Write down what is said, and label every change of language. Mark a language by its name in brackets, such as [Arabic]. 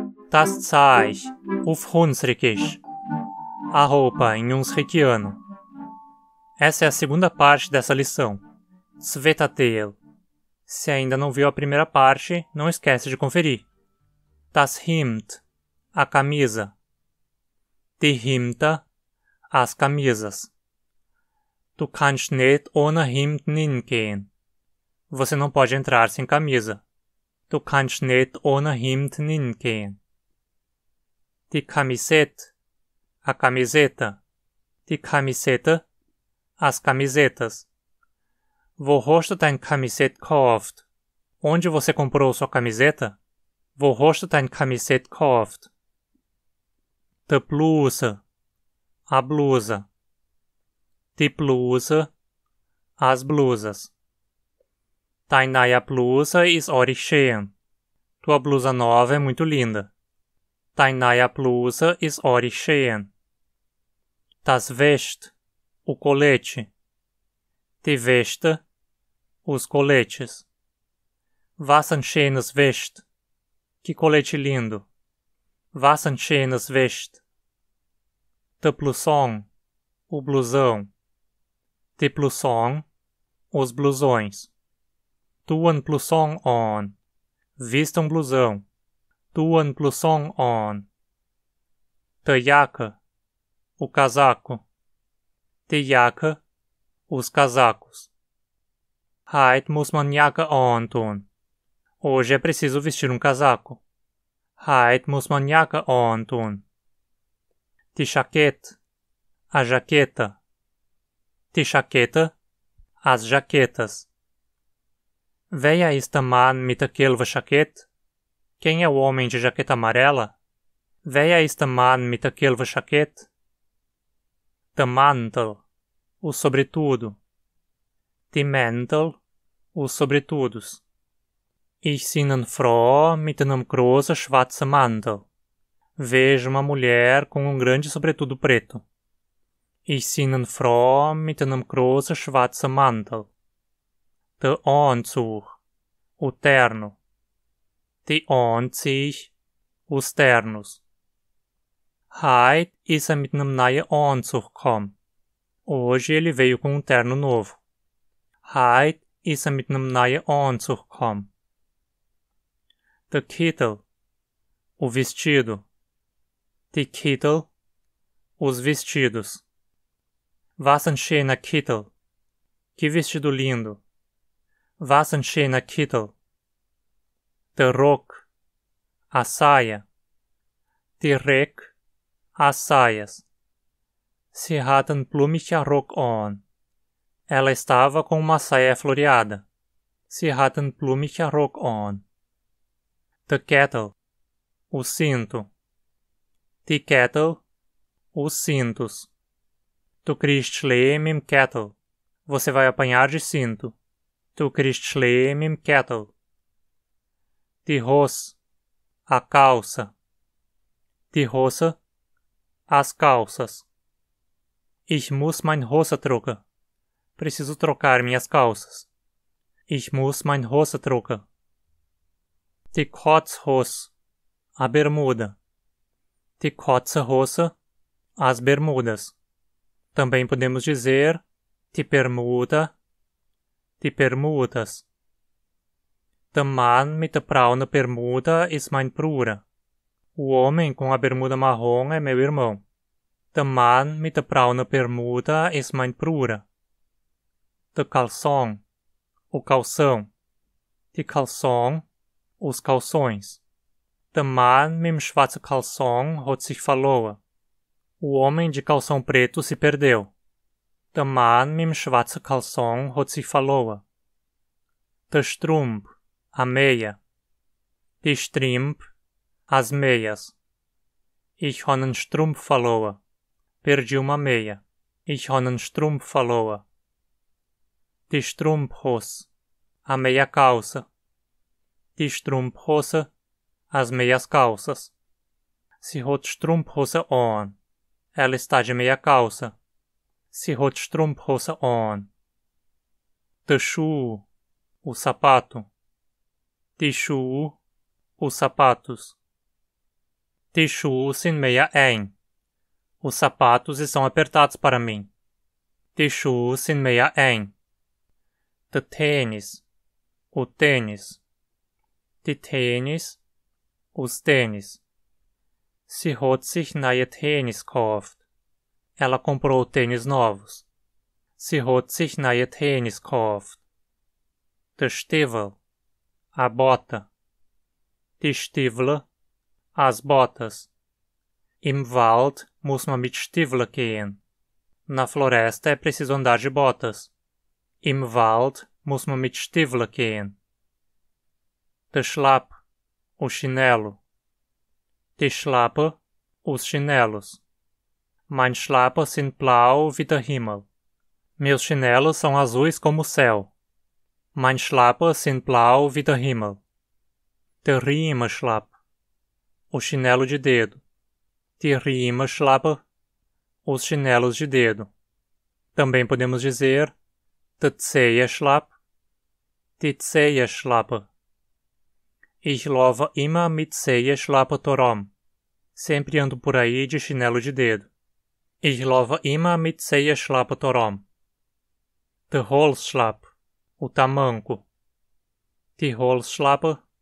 [Hunsrik] Das Zeich auf Hunsrückisch. [Portuguese] A roupa em hunsriqueano. Essa é a segunda parte dessa lição. Svetateil. Se ainda não viu a primeira parte, não esquece de conferir. [Hunsrik] Das Hemd. [Portuguese] A camisa. [Hunsrik] Die Hemda. [Portuguese] As camisas. [Hunsrik] Du kannst nicht ohne Hemd hingehen. [Portuguese] Você não pode entrar sem camisa. [Hunsrik] Du kannst nicht ohne Hemd hingehen. Die Camisette. [Portuguese] A camiseta. [Hunsrik] Die Camisette. [Portuguese] As camisetas. [Hunsrik] Wo hast du deine Camisette gekauft? [Portuguese] Onde você comprou sua camiseta? [Hunsrik] Wo hast du deine Camisette gekauft? Die Bluse. [Portuguese] A blusa. [Hunsrik] Die Bluse. [Portuguese] As blusas. [Hunsrik] Deine neue Bluse ist ordentlich schön. [Portuguese] Tua blusa nova é muito linda. [Hunsrik] Deine neue Bluse ist ordentlich schön. Das Vest. [Portuguese] O colete. [Hunsrik] Die Weste. [Portuguese] Os coletes. [Hunsrik] Was ein schönes Vest. [Portuguese] Que colete lindo. [Hunsrik] Was ein schönes Vest. Der Blouson. [Portuguese] O blusão. [Hunsrik] Die Blouson. [Portuguese] Os blusões. [Hunsrik] Tu ein Blouson on. [Portuguese] Vista um blusão. [Hunsrik] Tu ein Blouson on. Die Jacke. [Portuguese] O casaco. [Hunsrik] Die Jacke. [Portuguese] Os casacos. [Hunsrik] Heute muss man Jacke antun. [Portuguese] Hoje é preciso vestir um casaco. [Hunsrik] Heute muss man Jacke antun. Die Jacquette. [Portuguese] A jaqueta. [Hunsrik] Die Jacquette. [Portuguese] As jaquetas. [Hunsrik] Wer ist der Mann mit der gelben Jacquette? [Portuguese] Quem é o homem de jaqueta amarela? [Hunsrik] Wer ist der Mann mit der gelben Jacquette? Der Mantel. [Portuguese] O sobretudo. [Hunsrik] Die Mäntel. [Portuguese] Os sobretudos. [Hunsrik] Ich sehe eine Frau mit einem großen schwarzen Mantel. [Portuguese] Vejo uma mulher com um grande sobretudo preto. [Hunsrik] Ich sehe eine Frau mit einem großen schwarzen Mantel. Der Anzug. [Portuguese] O terno. [Hunsrik] Die Anzig. [Portuguese] Os ternos. [Hunsrik] Heute ist er mit einem neuen Anzug gekommen. [Portuguese] Hoje ele veio com um terno novo. [Hunsrik] Heute ist er mit einem neuen Anzug gekommen. Der Kittel. [Portuguese] O vestido. [Hunsrik] Die Kittel. [Portuguese] Os vestidos. [Hunsrik] Was ein schöner Kittel. [Portuguese] Que vestido lindo. [Hunsrik] Was ein schöner Kittel. Der Rock. [Portuguese] A saia. [Hunsrik] Die Rock. [Portuguese] As saias. [Hunsrik] Sie hat ein blumiger Rock on. [Portuguese] Ela estava com uma saia floreada. [Hunsrik] Sie hat ein blumiger Rock on. Der Kettel. [Portuguese] O cinto. [Hunsrik] Die Kettel. [Portuguese] Os cintos. [Hunsrik] Du kriegst Schlee mit Kettel. [Portuguese] Você vai apanhar de cinto. [Hunsrik] Du kriegst Schlee mit Kettel. Die Hose. [Portuguese] A calça. [Hunsrik] Die Hose. [Portuguese] As calças. [Hunsrik] Ich muss mein Hose trocken. [Portuguese] Preciso trocar minhas calças. [Hunsrik] Ich muss mein Hose trocken. Die Kurzhose. [Portuguese] A bermuda. [Hunsrik] Die Kurzhose. [Portuguese] As bermudas. Também podemos dizer [Hunsrik] die Bermuda. Die Bermudas. Der Mann mit der braunen Bermuda ist mein Bruder. [Portuguese] O homem com a bermuda marrom é meu irmão. [Hunsrik] Der Mann mit der braunen Bermuda ist mein Bruder. Der Calçon. [Portuguese] O calção. [Hunsrik] Die Calçon. [Portuguese] Os calções. [Hunsrik] Der Mann mit dem schwarzen Calçon hat sich verloren. [Portuguese] O homem de calção preto se perdeu. [Hunsrik] Der Mann mit dem schwarzen Calçon hat sich verloren. Der Strumpf. [Portuguese] A meia. [Hunsrik] Die Strumpf. [Portuguese] As meias. [Hunsrik] Ich habe einen Strumpf verloren. [Portuguese] Perdi uma meia. [Hunsrik] Ich habe einen Strumpf verloren. Die Strumpfhose. [Portuguese] A meia calça. [Hunsrik] Die Strumpfhose. [Portuguese] As meias calças. [Hunsrik] Sie hat Strumpfhose on. [Portuguese] Ela está de meia calça. [Hunsrik] Sie hat Strumpfhose on. Der Schuh. [Portuguese] O sapato. [Hunsrik] Die Schuhe. [Portuguese] Os sapatos. [Hunsrik] Die Schuhe sind mir eng. [Portuguese] Os sapatos estão apertados para mim. [Hunsrik] Die Schuhe sind mir eng. The tennis. [Portuguese] O tênis. [Hunsrik] Die tênis. [Portuguese] Os tênis. [Hunsrik] Sie hat sich neue tênis gekauft. [Portuguese] Ela comprou tênis novos. [Hunsrik] Sie hat sich neue tênis gekauft. Der Stiefel. [Portuguese] A bota. [Hunsrik] Die Stiefel. [Portuguese] As botas. [Hunsrik] Im Wald muss man mit Stiefel gehen. [Portuguese] Na floresta é preciso andar de botas. [Hunsrik] Im Wald muss man mit Stiefel gehen. Der Schlapp. [Portuguese] O chinelo. [Hunsrik] Die Schlappe. [Portuguese] Os chinelos. [Hunsrik] Mein Schlappe sind blau wie der Himmel. [Portuguese] Meus chinelos são azuis como o céu. [Hunsrik] Mein Schlappe sind blau wie der Himmel. Der Riemenschlapp. [Portuguese] O chinelo de dedo. [Hunsrik] Die Riemenschlappe. [Portuguese] Os chinelos de dedo. Também podemos dizer [Hunsrik] der Zehenschlapp. Die Zehenschlappe. Ich laufe immer mit Zehenschlappe herum. [Portuguese] Sempre ando por aí de chinelo de dedo. [Hunsrik] Ich laufe immer mit Zehenschlappe herum. Der Holzschlapp. [Portuguese] O tamanco. [Hunsrik] Die Holzschlappe.